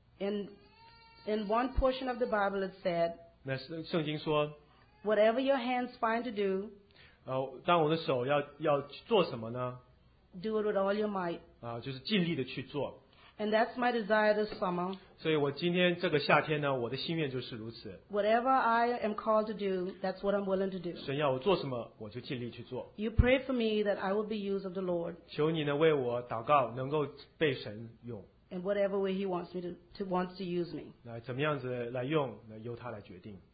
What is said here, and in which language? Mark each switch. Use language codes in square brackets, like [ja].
[en] In one portion of the Bible, it said, [zh] 那圣经说， [en] whatever your hands find to do, [zh] 当我的手要做什么呢？ [en] Do it with all your might. [zh] 就是尽力的去做。 [en] And that's my desire this summer. [zh] 所以我今天这个夏天呢，我的心愿就是如此。 [en] Whatever I am called to do, that's what I'm willing to do. [zh] 神要我做什么，我就尽力去做。 [en] You pray for me that I will be used of the Lord. [zh] 求你呢为我祷告，能够被神用。 [en] And whatever way He wants me to wants to use me. [zh] 那怎么样子来用，那由他来决定。